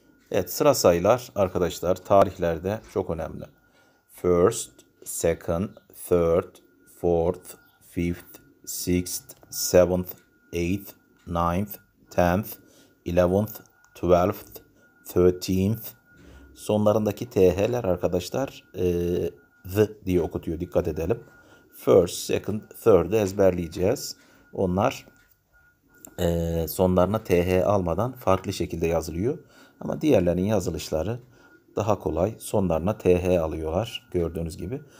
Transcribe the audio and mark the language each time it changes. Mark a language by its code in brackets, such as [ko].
[tr] Evet, sıra sayılar arkadaşlar tarihlerde çok önemli. [en] First, second, third, fourth, fifth, sixth, seventh, eighth, ninth, tenth, eleventh, twelfth, thirteenth. [tr] Sonlarındaki TH'ler arkadaşlar the diye okutuyor. Dikkat edelim. First, second, third'ı ezberleyeceğiz. Onlar sonlarına TH almadan farklı şekilde yazılıyor. Ama diğerlerinin yazılışları daha kolay. Sonlarına TH alıyorlar gördüğünüz gibi.